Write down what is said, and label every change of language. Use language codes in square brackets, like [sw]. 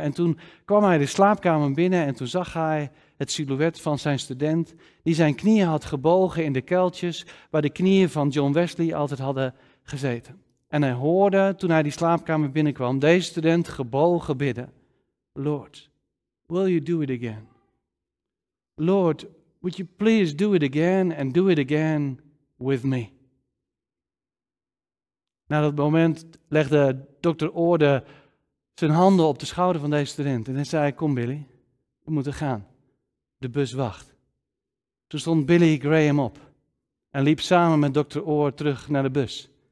[nl] En toen kwam hij de slaapkamer binnen en toen zag hij het silhouet van zijn student, die zijn knieën had gebogen in de kuiltjes waar de knieën van John Wesley altijd hadden gezeten. En hij hoorde, toen hij die slaapkamer binnenkwam, deze student gebogen bidden. [en] Lord, will you do it again? Lord, would you please do it again and do it again with me? [nl] Na dat moment legde dokter Orde zijn handen op de schouder van deze student. En hij zei, kom Billy, we moeten gaan. De bus wacht. Toen stond Billy Graham op en liep samen met dokter Orde terug naar de bus.